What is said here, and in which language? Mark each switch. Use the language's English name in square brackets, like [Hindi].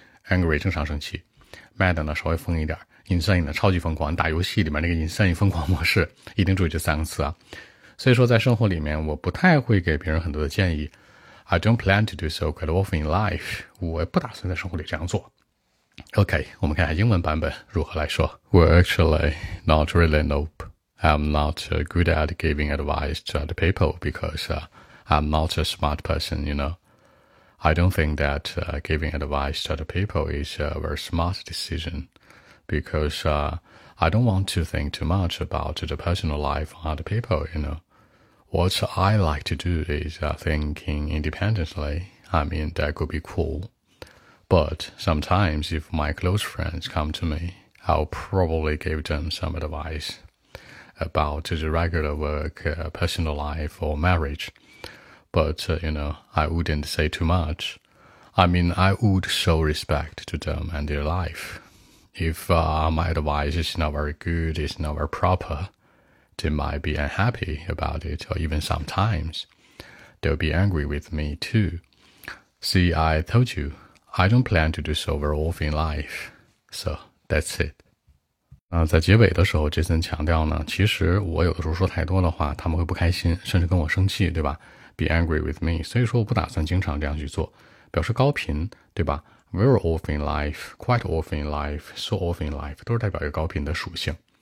[Chinese] angry 正常生气，mad 呢稍微疯一点， insane 呢超级疯狂，打游戏里面那个 insane 疯狂模式，一定注意这三个词啊。所以说在生活里面我不太会给别人很多的建议， [English] I don't plan to do so quite often in life， [Chinese] 我不打算在生活里这样做。 OK， 我们看看英文版本如何来说。 [English] Well actually not really nope， I'm not good at giving advice to other people because I'm not a smart person， you knowI don't think that giving advice to other people is a very smart decision because I don't want to think too much about the personal life of other people, you know. What I like to do is thinking independently. I mean, that could be cool. But sometimes if my close friends come to me, I'll probably give them some advice about the regular work, personal life or marriage. But, you know, I wouldn't say too much. I mean, I would show respect to them and their life. If my advice is not very good, it's not very proper, they might be unhappy about it, or even sometimes they'll be angry with me too. See, I told you, I don't plan to do so very often in life. So, that's it. [Chinese] 在结尾的时候 Jason 强调呢，其实我有的时候说太多的话，他们会不开心，甚至跟我生气，对吧？ [English] Be angry with me. [Chinese] 所以说我不打算经常这样去做，表示高频，对吧？ [English] Very often in life, quite often in life, so often in life, [Chinese] 都是代表一个高频的属性。